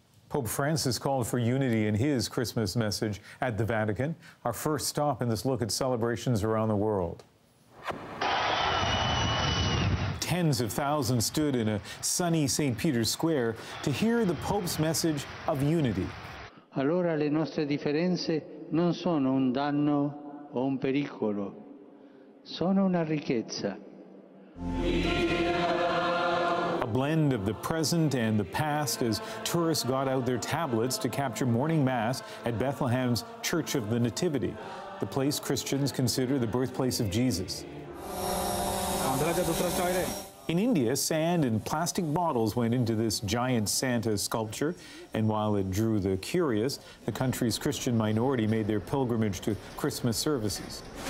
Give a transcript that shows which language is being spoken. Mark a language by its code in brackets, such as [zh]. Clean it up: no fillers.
[en] Pope Francis called for unity in his Christmas message at the Vatican, our first stop in this look at celebrations around the world. Tens of thousands stood in a sunny St. Peter's Square to hear the Pope's message of unity. [it] Allora le nostre differenze non sono un danno o un pericolo, sono una ricchezza. [en] A blend of the present and the past as tourists got out their tablets to capture morning mass at Bethlehem's Church of the Nativity, the place Christians consider the birthplace of Jesus. In India, sand and plastic bottles went into this giant Santa sculpture, and while it drew the curious, the country's Christian minority made their pilgrimage to Christmas services.